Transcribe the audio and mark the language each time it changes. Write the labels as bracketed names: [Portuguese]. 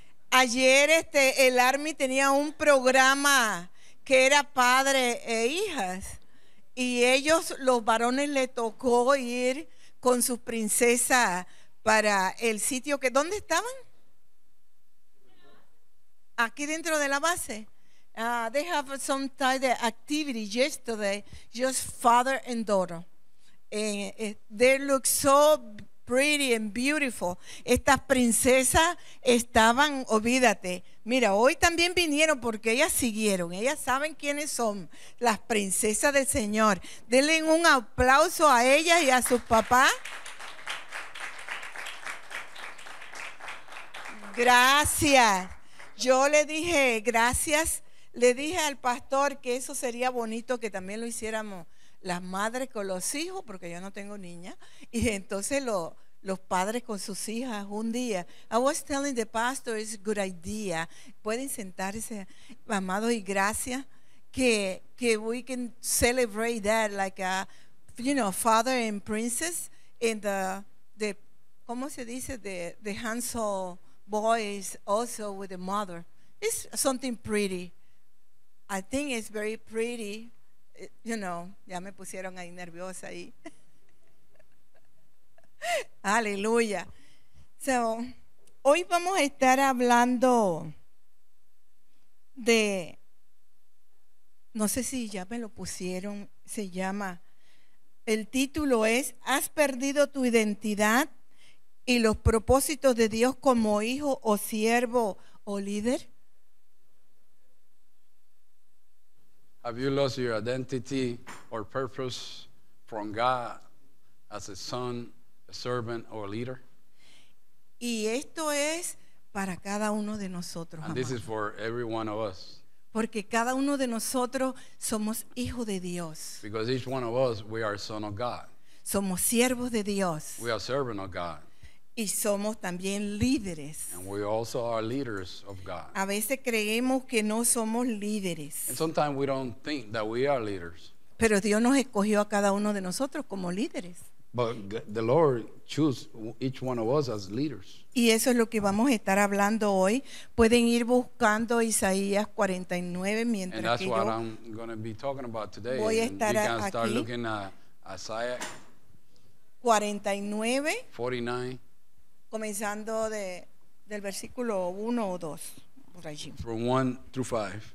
[Spanish] Ayer el Army tenía un programa que era padre e hijas, y ellos, los varones, le tocó ir con sus princesas para el sitio que, ¿dónde estaban? Aquí dentro de la base. [English] They have some type of activity yesterday, just father and daughter. They look so pretty and beautiful. [Spanish] Estas princesas estaban, olvídate. Mira, hoy también vinieron porque ellas siguieron. Ellas saben quiénes son las princesas del Señor. Denle un aplauso a ellas y a sus papás. Gracias. Yo le dije gracias. Le dije al pastor que eso sería bonito que también lo hiciéramos las madres con los hijos, porque yo no tengo niña, y entonces los padres con sus hijas un día. [English] I was telling the pastor it's a good idea. [Spanish] Pueden sentarse, amados, y gracias que [English] we can celebrate that like a, you know, father and princess in the [Spanish] ¿cómo se dice? [English] The handsome boys also with the mother. It's something pretty. I think it's very pretty. You know, [Spanish] ya me pusieron ahí nerviosa ahí. Aleluya. So, hoy vamos a estar hablando de, no sé si ya me lo pusieron, se llama, el título es ¿Has perdido tu identidad y los propósitos de Dios como hijo o siervo o líder? [English] Have you lost your identity or purpose from God as a son, a servant, or a leader? [Spanish] Y esto es para cada uno de nosotros. [English] And this is for every one of us. [Spanish] Porque cada uno de nosotros somos hijo de Dios. [English] Because each one of us, we are son of God. [Spanish] Somos siervos de Dios. [English] We are servant of God. [Spanish] Y somos también líderes. [English] And we also are leaders of God. [Spanish] A veces creemos que no somos líderes. [English] And sometimes we don't think that we are leaders. [Spanish] Pero Dios nos escogió a cada uno de nosotros como líderes. [English] But the Lord chose each one of us as leaders. [Spanish] Y eso es lo que vamos a estar hablando hoy. Pueden ir buscando Isaías 49 mientras que yo. [English] And that's what I'm going to be talking about today. [Spanish] Voy a estar aquí. [English] You can start looking at Isaiah [Spanish] 49. Comenzando del versículo 1 o 2, por allí. [English] From 1 through 5.